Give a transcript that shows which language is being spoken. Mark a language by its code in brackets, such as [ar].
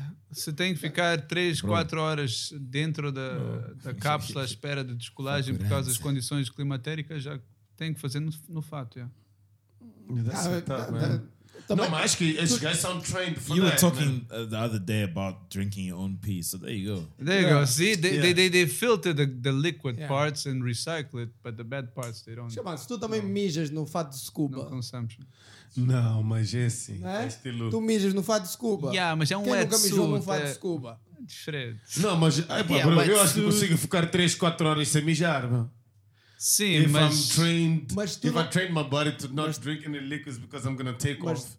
[pt] Se tem que ficar 3, 4 horas dentro da cápsula à espera de descolagem por causa das condições climatéricas, já tem que fazer no fato. [en] Yeah. That's tough, man. [pt] Não, mas acho que esses gajos são [en] trained for that. You were talking the other day about drinking your own pee, so there you go. There you go. See, they filter the liquid parts and recycle it, but the bad parts they don't. [pt] Chama-se, tu também mijas no fato de scuba. [en] No consumption. [pt] Não, mas é assim. É? É estilo... Tu mijas no fato de scuba. Yeah, mas é um quem [en] wet [pt] nunca mijou no fato de scuba? Diferente. Não, mas eu acho que consigo ficar 3, 4 horas sem mijar, mano. Sim, [en] if I train my body to not drink any liquids because I'm gonna take off.